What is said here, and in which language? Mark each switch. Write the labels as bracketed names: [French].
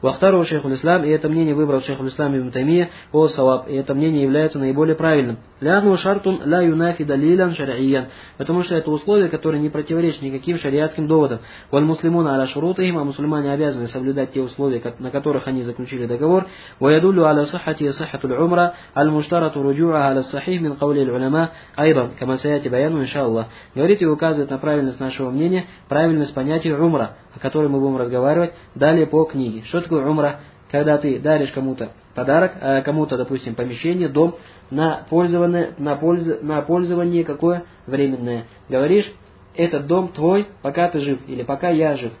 [Russian] Вахтару шейху ислам, и это мнение выбрал шейху ислам ибн Таймия, о саваб. И это мнение является наиболее правильным. [Arabic] Ляну шартун ля юнафи далилан шариян. [Russian] Потому что это условие, которое не противоречит никаким шариатским доводам. [Arabic] Валь муслимуна аля шурутихим, [Russian] а мусульмане обязаны соблюдать те условия, на которых они заключили договор. [Arabic] ويدل على صحته صحة العمرة المشترط رجوعها على الصحيح من قول العلماء أيضا كما سيأتي بيانه إن شاء الله. [Russian] Говорит и указывает на правильность нашего мнения, правильность понятия умра, о котором мы будем разговаривать далее по книге. Что такое умра? Когда ты даришь кому-то подарок, кому-то, допустим, помещение, дом на пользование какое временное. Говоришь, этот дом твой, пока ты жив, или пока я жив.